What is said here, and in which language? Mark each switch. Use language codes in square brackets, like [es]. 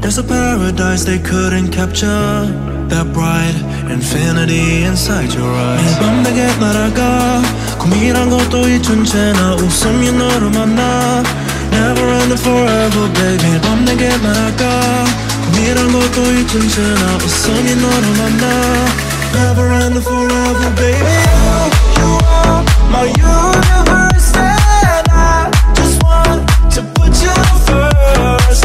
[en] There's a paradise they couldn't capture, that bright infinity inside your eyes. [ko] 매 밤 내게 날아가 꿈이란 것도 잊은 채 나 웃으며 너를 만나. [en] Never and forever, baby. [ko] 매 밤 내게 날아가 꿈이란 것도 잊은 채 나 웃으며 너를 만나. [en] Never and forever, baby. Oh, you are my universe, and I just want to put you first.